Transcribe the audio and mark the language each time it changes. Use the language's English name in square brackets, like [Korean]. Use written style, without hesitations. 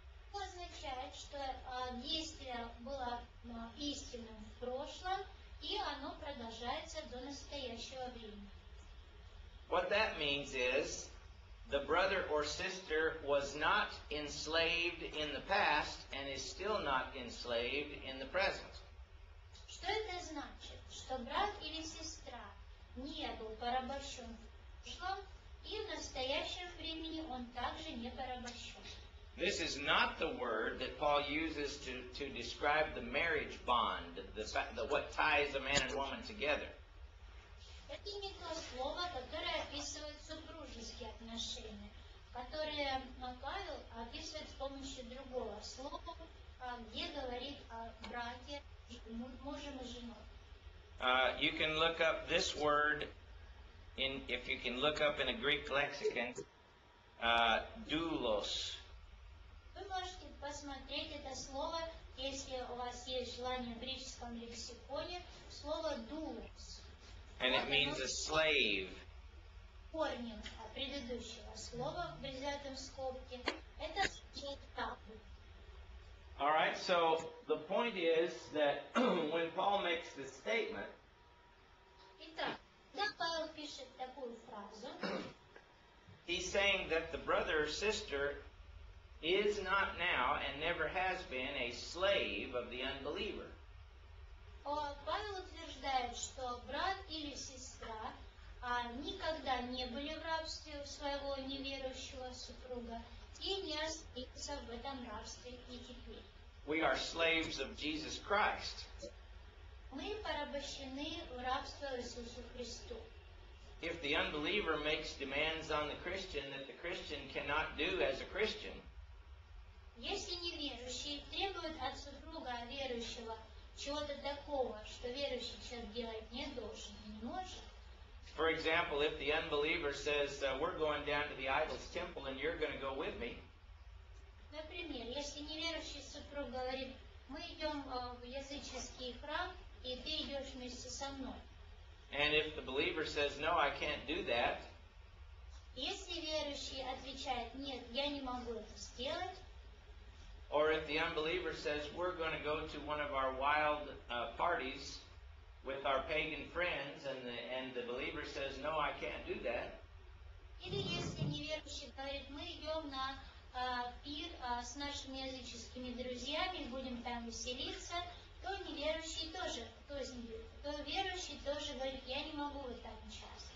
[English] What that means is the brother or sister was not enslaved in the past and is still not enslaved in the present. [Russian] Что это значит? Что брат или сестра не был порабощен в прошлом, и в настоящем времени он также не порабощен. [English] This is not the word that Paul uses to describe the marriage bond, the what ties a man and woman together. [Russian] Это не то слово, которое описывает супружеские отношения, которое Павел описывает с помощью другого слова, где говорит о браке мужем и женой. [English] You can look up this word in, if you can look up in a Greek lexicon, doulos. [Russian] Вы можете посмотреть это слово, если у вас есть желание в греческом лексиконе, слово doulos. [English] And it means a slave. [Russian] Корнем предыдущего слова в взятом скобке это слово. [English] All right, so the point is that when Paul makes this statement, [Russian] итак, когда Павел пишет такую фразу, [English] he's saying that the brother or sister is not now and never has been a slave of the unbeliever. [Russian] Павел утверждает, что брат или сестра никогда не были в рабстве своего неверующего супруга и не остаются в этом рабстве и теперь. [English] We are slaves of Jesus Christ. [Russian] Мы порабощены в рабстве Иисусу Христу. [English] If the unbeliever makes demands on the Christian that the Christian cannot do as a Christian, [Russian] если неверующий требует от супруга верующего чего-то такого, что верующий человек делать не должен, не может. [English] For example, if the unbeliever says, we're going down to the idol's temple and you're going to go with me. [Russian] Например, если неверующий супруг говорит, мы идем в языческий храм, и ты идешь вместе со мной. [English] And if the believer says, no, I can't do that. [Russian] Если верующий отвечает, нет, я не могу это сделать. [English] Or if the unbeliever says, we're going to go to one of our wild parties with our pagan friends, and the believer says, no, I can't do that. [Russian] Или если неверующий говорит, мы идем на пир с нашими языческими друзьями, будем там веселиться, то неверующий тоже, то верующий тоже говорит, я не могу в этом участвовать.